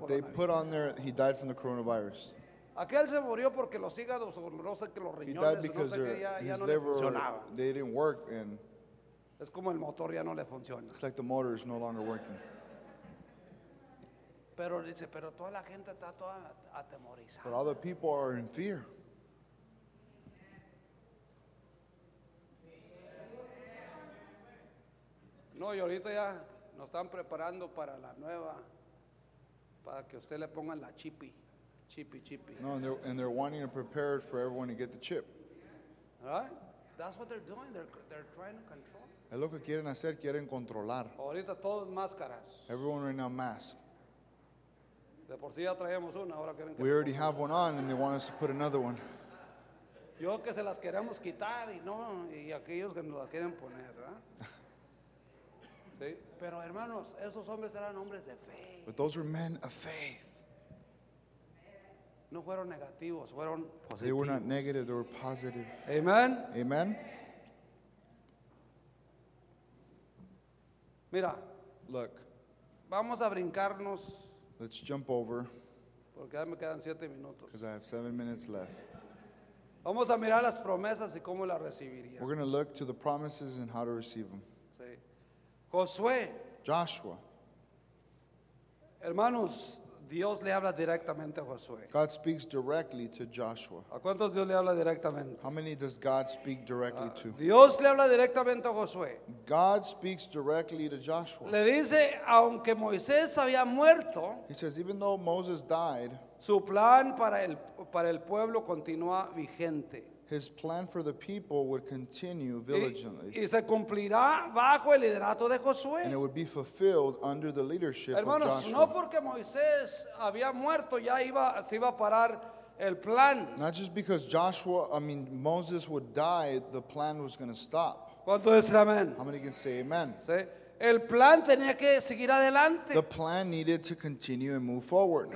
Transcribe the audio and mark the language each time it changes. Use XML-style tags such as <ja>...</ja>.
<en>But they put on there, he died from the coronavirus.</en> <es>Aquel se murió porque los hígados o no sé que los riñones no sé que ya no le funcionaban.</es> <en>They didn't work and</en> <es>es como el motor ya no le funciona.</es> <en>It's like the motor is no longer working.</en> <es>Pero dice, pero toda la gente está toda atemorizada.</es> <en>But all the people are in fear.</en> <es>No, y ahorita ya nos están preparando para la nueva, para que usted le ponga la chipi.</es> <en>Chippy. No, and they're wanting to prepare for everyone to get the chip. Right? That's what they're doing. They're trying to control.</en> <es>Es lo que quieren hacer, quieren controlar. Ahorita todos máscaras.</es> <en>Everyone right now mask.</en> <es>De por sí ya traemos una, ahora quieren que</es> <en>we already have one on and they want us to put another one.</en> <es>Yo que se las queremos quitar y no y aquellos que nos las quieren poner, ¿verdad? Sí, pero hermanos, esos hombres eran hombres de fe.</es> <en>But those were men of faith.</en> <es>No fueron negativos, fueron positivos.</es> <en>They were not negative, they were positive.</en> <es>Amen.</es> <en>Amen.</en> <es>Mira.</es> <en>Look.</en> <es>Vamos a brincarnos.</es> <en>Let's jump over.</en> <es>Porque ya me quedan 7 minutos.</es> <en>Because I have 7 minutes left.</en> <es>Vamos a mirar las promesas y cómo las recibiría.</es> <en>We're going to look to the promises and how to receive them.</en> <es>Sí. Josué.</es> <en>Joshua.</en> <es>Hermanos. Dios le habla directamente a Josué.</es> <en>God speaks directly to Joshua.</en> <es>¿A cuántos Dios le habla directamente?</es> <en>How many does God speak directly to?</en> <es>Dios le habla directamente a Josué.</es> <en>God speaks directly to Joshua.</en> <es>Le dice, aunque Moisés había muerto,</es> <en>he says, even though Moses died,</en> <es>su plan para el pueblo continúa vigente.</es> <en>his plan for the people would continue vigilantly.</en> <es>Y se cumplirá bajo el liderato de Josué.</es> <en>And it would be fulfilled under the leadership</en> <es>Hermanos,</es> <en>of Joshua.</en> <es>Hermanos, no porque Moisés había muerto ya iba se iba a parar el plan.</es> <en>Not just because Joshua, Moses would die, the plan was going to stop.</en> <es>¿Cuánto dice amén?</es> <en>How many can say amen?</en> <es>Sí. El plan tenía que seguir adelante.</es> <en>The plan needed to continue and move forward.</en>